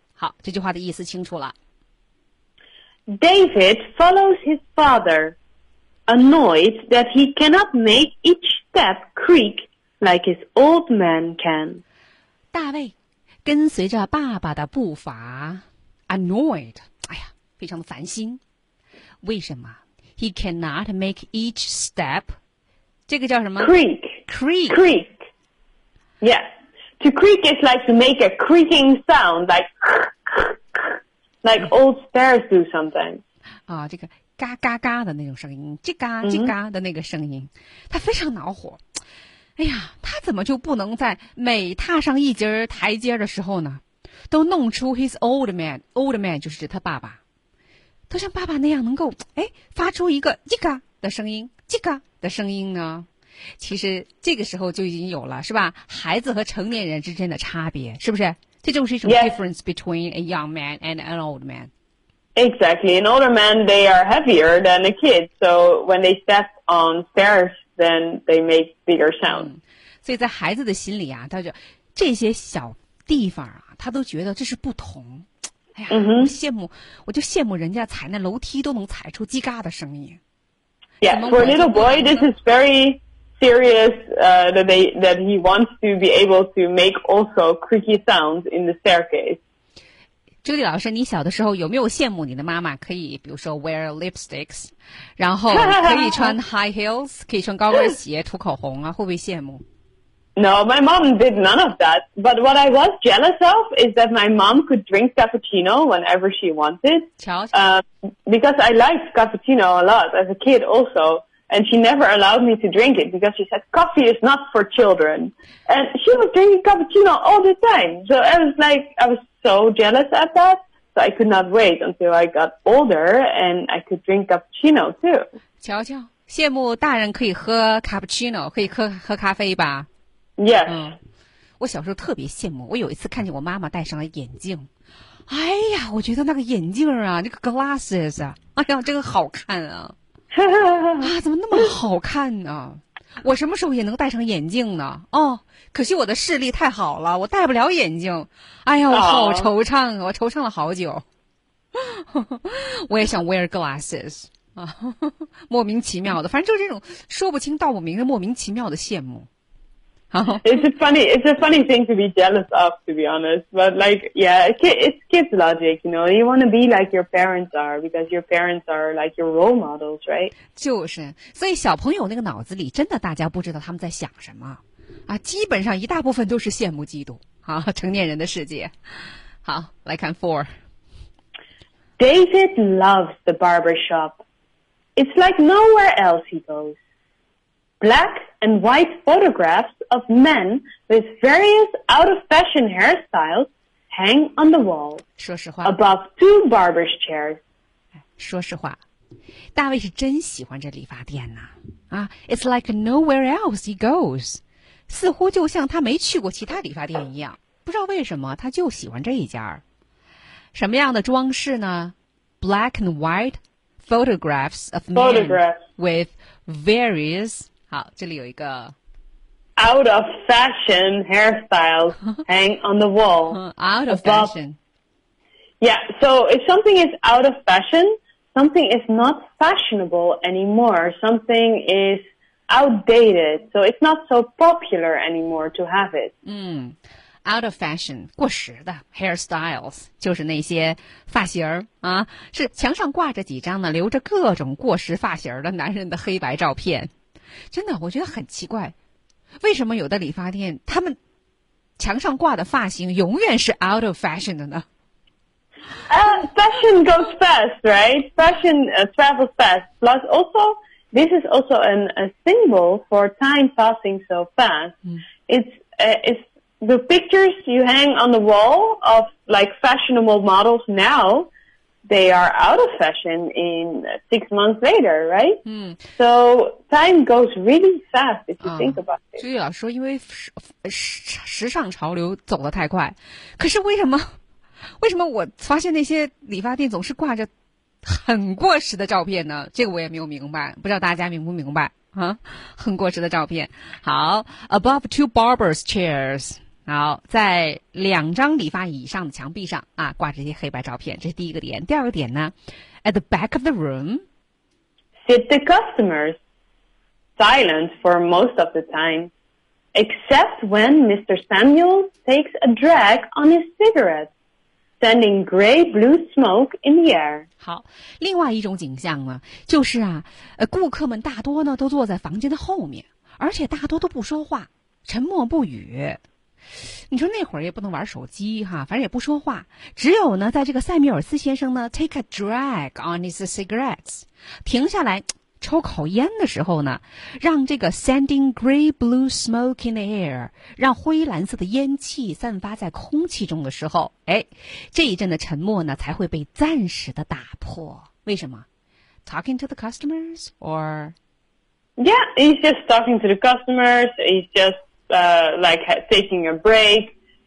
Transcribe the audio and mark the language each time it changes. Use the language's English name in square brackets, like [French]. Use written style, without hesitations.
[Chinese] 好，这句话的意思清楚了。 [English] David follows his father, annoyed that he cannot make each step creak like his old man can. [Chinese] 大卫跟随着爸爸的步伐 [English] annoyed， [Chinese] 哎呀，非常的烦心。为什么 [English] ？He cannot make each step， [Chinese] 这个叫什么 [English] ？Creak， creak， creak。 Yeah， to creak is like to make a creaking sound， like like old stairs do sometimes。 [Chinese] 啊，这个嘎嘎嘎的那种声音，叽嘎叽嘎的那个声音，他非常恼火。哎呀，他怎么就不能在每踏上一阶台阶的时候呢，都弄出 [English] his old man， old man [Chinese] 就是指他爸爸，都像爸爸那样能够哎发出一个叽嘎的声音，叽嘎的声音呢？其实这个时候就已经有了，是吧？孩子和成年人之间的差别，是不是？这就是一种 [English] difference between a young man and an old man. Exactly, an older man they are heavier than a kid, so when they step on stairs. Then they make bigger sound.、嗯、 [Chinese] 所以在孩子的心里啊，他就这些小地方啊，他都觉得这是不同。哎呀， mm-hmm. 我就羡慕人家踩那楼梯都能踩出叽嘎的声音。 [English] Yeah, for a little boy, this is very serious. That he wants to be able to make also creaky sounds in the staircase. [Chinese] 朱迪老师，你小的时候有没有羡慕你的妈妈可以，比如说 [English] wear lipsticks？ [Chinese] 然后可以穿 [English] high heels， [Chinese] 可以穿高跟鞋，涂口红啊，会不会羡慕 [English] ？No, my mom did none of that. But what I was jealous of is that my mom could drink cappuccino whenever she wanted. Because I liked cappuccino a lot as a kid also, and she never allowed me to drink it because she said coffee is not for children. And she was drinking cappuccino all the time, so I was so jealous at that. So I could not wait until I got older and I could drink cappuccino too. [Chinese] 瞧瞧，羡慕大人可以喝 cappuccino， 可以喝咖啡吧。 [English] Yes.、 [Chinese] 嗯、我小时候特别羡慕，我有一次看见我妈妈戴上了眼镜，哎呀，我觉得那个眼镜啊，那个 glasses 啊，哎呀，这个好看啊。啊，怎么那么好看呢、啊？我什么时候也能戴上眼镜呢？哦，可惜我的视力太好了，我戴不了眼镜。哎呀，我好惆怅啊！我惆怅了好久。我也想 [English] wear glasses [Chinese] 啊，莫名其妙的，反正就是这种说不清道不明的莫名其妙的羡慕。 [English] It's a funny thing to be jealous of, to be honest. But like, yeah, it's kids' logic, you know. You want to be like your parents are because your parents are like your role models, right? [Chinese] 就是，所以小朋友那个脑子里真的，大家不知道他们在想什么啊。基本上一大部分都是羡慕嫉妒啊。成年人的世界，好，来看 four. [English] David loves the barber shop. It's like nowhere else he goes. Black and white photographs of men with various out-of-fashion hairstyles hang on the wall. [Chinese] 说实话 [English] ，above two barber's chairs. [Chinese] 说实话，大卫是真喜欢这理发店呐！ [English] 啊 ，It's like nowhere else he goes. [Chinese] 似乎就像他没去过其他理发店一样。不知道为什么，他就喜欢这一家。什么样的装饰呢 [English] ？Black and white photographs of men with various [Chinese] 好，这里有一个 [English] out of fashion hairstyles hang on the wall. out of fashion. Yeah, so if something is out of fashion, something is not fashionable anymore. Something is outdated, so it's not so popular anymore to have it. Out of fashion, [Chinese] 过时的 [English] hairstyles [Chinese] 就是那些发型儿啊，是墙上挂着几张呢，留着各种过时发型儿的男人的黑白照片。真的，我觉得很奇怪，为什么有的理发店他们墙上挂的发型永远是 [English] out of fashion [Chinese] 的呢？ [English] Fashion goes fast, right? Fashion travels fast. Plus, also, this is also a symbol for time passing so fast. It's the pictures you hang on the wall of like fashionable models now they are out of fashion in 6 months later, right? Mm. So time goes really fast if you think about it. [Chinese] 对啊，说因为时尚潮流走得太快，可是为什么我发现那些理发店总是挂着很过时的照片呢？这个我也没有明白，不知道大家明不明白啊？很过时的照片。好 ， [English] above two barber's chairs， [Chinese] 好，在两张理发椅上的墙壁上啊，挂这些黑白照片，这是第一个点。第二个点呢 ， [English] at the back of the room， sit the customers silent for most of the time， except when Mr. Samuel takes a drag on his cigarette。 Sending gray blue smoke in the air. [Chinese] 好，另外一种景象呢，就是啊，顾客们大多呢都坐在房间的后面，而且大多都不说话，沉默不语。你说那会儿也不能玩手机哈，反正也不说话，只有呢，在这个塞米尔斯先生呢 [English] take a drag on his cigarettes， [Chinese] 停下来抽口烟的时候呢，让这个 [English] sending gray blue smoke in the air， [Chinese] 让灰蓝色的烟气散发在空气中的时候，哎，这一阵的沉默呢才会被暂时的打破。为什么？ [English] Talking to the customers or? Yeah, he's just talking to the customers. He's just like taking a break.